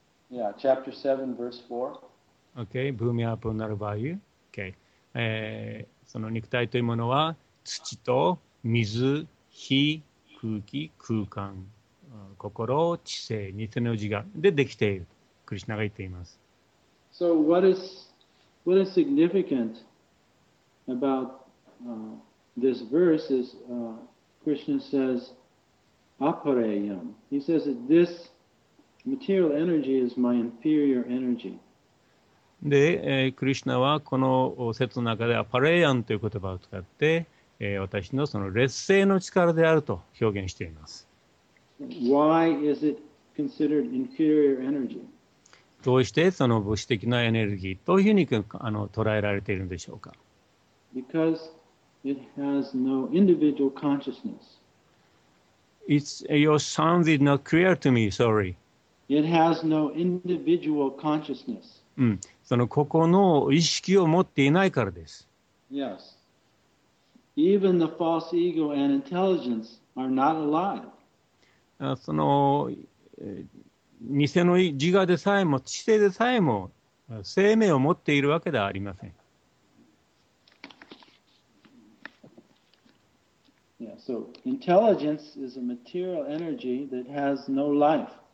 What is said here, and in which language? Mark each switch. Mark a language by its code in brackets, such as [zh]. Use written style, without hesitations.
[en] Yeah, chapter 7, verse 4. [sa] Okay, Bhumi Apo Narvayu. Okay. [ja] その肉体というものは土と水、火、空気、空間。心、知性、偽の自我でできている。クリシナが言っています。 [en] So what is significant about this verse is Krishna says apareyam. He says that this material energy is my inferior energy. [ja] で、クリシナはこの説の中でアパレイヤンという言葉を使って、私のその劣勢の力であると表現しています。 [en] Why is it considered inferior energy? [ja] どうしてその物質的なエネルギーというふうに捉えられているんでしょうか。 [en] Because it has no individual consciousness. Your sound did not clear to me, sorry. It has no individual consciousness. [ja] その個々の意識を持っていないからです。 [en] Yes. Even the false ego and intelligence are not alive. [ja] その偽の自我でさえも知性でさえも生命を持っているわけではありません。 [en] Yeah, so intelligence is a material energy that has no life.